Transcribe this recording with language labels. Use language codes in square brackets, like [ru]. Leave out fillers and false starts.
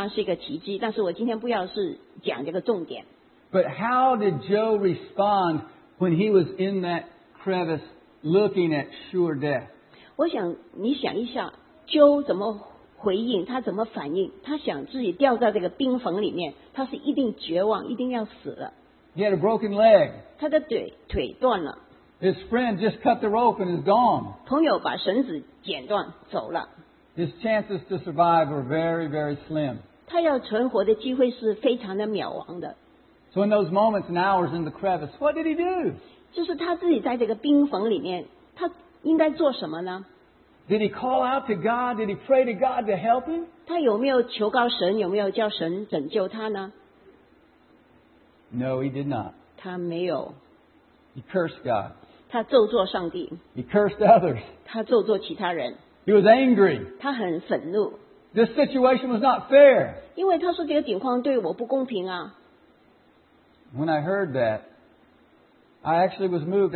[zh] 当然这个Joe能够很奇妙的下山是一个奇迹，但是我今天不要是讲这个重点。 [en] But how did Joe respond when he was in that crevice looking at sure death? [zh] 我想你想一下，Joe怎么回应？他怎么反应？他想自己掉在这个冰缝里面，他是一定绝望，一定要死了。 [en] He had a broken leg. [zh] 他的腿断了。 [en] His friend just cut the rope and is gone. [zh] 朋友把绳子剪断走了。 [en] His chances to survive were very, very slim. [zh] 他要存活的机会是非常的渺茫的。 [en] So in those moments and hours in the crevice, what did he do? [zh] 就是他自己在这个冰缝里面，他。应该做什么呢? [en] Did he call out to God? Did he pray to God to help him? [zh] 他有没有求告神?有没有叫神拯救他呢? [en] No, he did not. [zh] 他没有。 [en] He cursed God. [zh] 他咒诅上帝。 [en] He cursed others. [zh] 他咒诅其他人。 [en] He was angry. [zh] 他很愤怒。 [en] This situation was not fair. [zh] 因为他说这个情况对我不公平啊。 [en] When I heard that, I actually was moved.